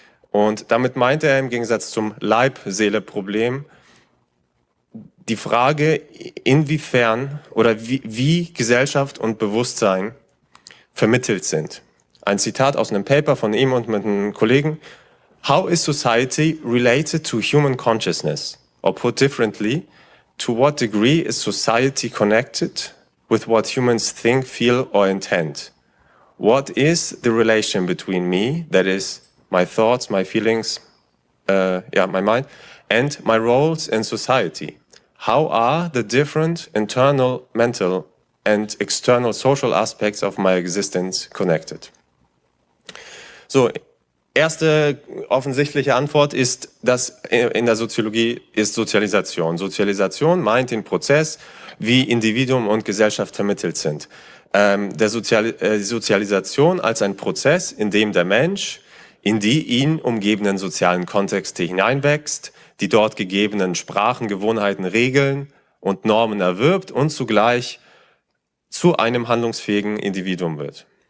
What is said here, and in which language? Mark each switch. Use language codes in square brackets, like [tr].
[de] Und damit meint er im Gegensatz zum Leib-Seele-Problem die Frage, inwiefern oder wie Gesellschaft und Bewusstsein vermittelt sind. Ein Zitat aus einem Paper von ihm und mit einem Kollegen. [en] How is society related to human consciousness? Or put differently, to what degree is society connected with what humans think, feel or intend? What is the relation between me, that is, my thoughts, my feelings, my mind, and my roles in society? How are the different internal, mental and external social aspects of my existence connected? [de] So, erste offensichtliche Antwort ist, dass in der Soziologie ist Sozialisation. Sozialisation meint den Prozess, wie Individuum und Gesellschaft vermittelt sind. Sozialisation als ein Prozess, in dem der Mensch in die ihn umgebenden sozialen Kontexte hineinwächst, die dort gegebenen Sprachen, Gewohnheiten, Regeln und Normen erwirbt und zugleich zu einem handlungsfähigen Individuum wird.